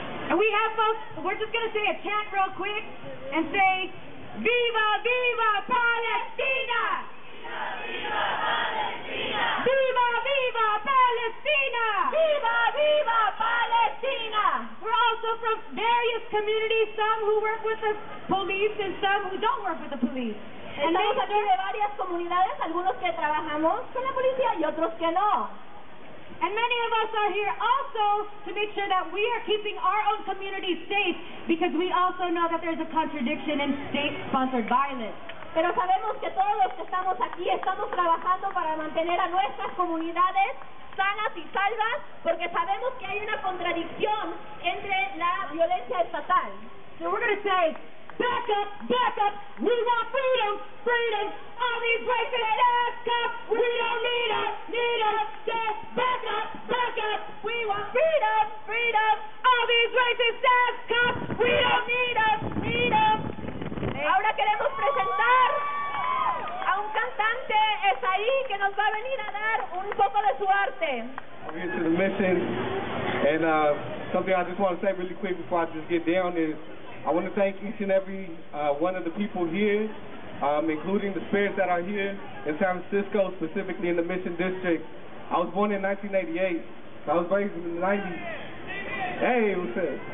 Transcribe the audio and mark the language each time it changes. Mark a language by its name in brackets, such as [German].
[English] And we have folks, we're just going to say a chant real quick and say, [Spanish] Viva, Viva, Palestina! Viva, viva, Palestina! Viva, viva, Palestina! [English] We're also from various communities, some who work with the police and some who don't work with the police. [Spanish] Estamos aquí de varias comunidades, algunos que trabajamos con la policía y otros que no. [English] And many of us are here also to make sure that we are keeping our own community safe, because we also know that there's a contradiction in state-sponsored violence. [Spanish] Pero sabemos que todos los que estamos aquí estamos trabajando para mantener a nuestras comunidades sanas y salvas, porque sabemos que hay una contradicción entre la violencia estatal. [English] So we're going to say, back up, back up, we want freedom, freedom, all these racist ass cops, we don't need them, need them, just back up, back up, we want freedom, freedom, all these racist ass cops, we don't need them, need them. [Spanish] Ahora queremos presentar a un cantante, es ahí, que nos va a venir a dar un poco de su arte. [English] I'm here to the mission, and something I just want to say really quick before I just get down is, I want to thank each and every one of the people here, including the spirits that are here in San Francisco, specifically in the Mission District. I was born in 1988, so I was raised in the 90s. Hey, what's up?